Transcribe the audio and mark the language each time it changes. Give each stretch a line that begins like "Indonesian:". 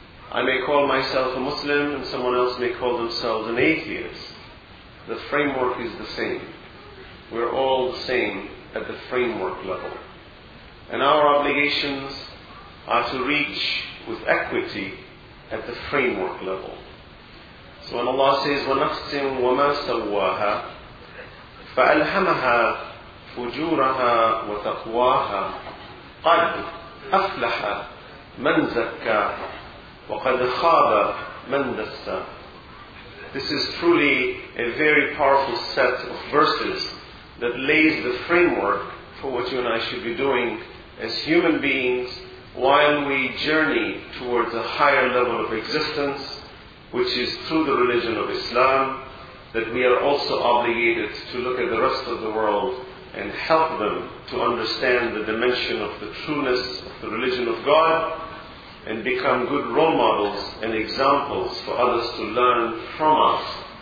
English: I may call myself a Muslim and someone else may call themselves an atheist. The framework is the same. We're all the same at the framework level. And our obligations are to reach with equity at the framework level.
Arabic: So when Allah says, وَنَفْسٍ وَمَا سَوَّاهَا فَأَلْهَمَهَا فُجُورَهَا وَتَقْوَاهَا قَدْ أَفْلَحَ مَنْ زَكَّاهَا وَقَدْ خَابَ مَنْ دَسَّاهَا.
English: This is truly a very powerful set of verses that lays the framework for what you and I should be doing as human beings while we journey towards a higher level of existence, which is through the religion of Islam, that we are also obligated to look at the rest of the world and help them to understand the dimension of the trueness of the religion of God and become good role models and examples for others to learn from us.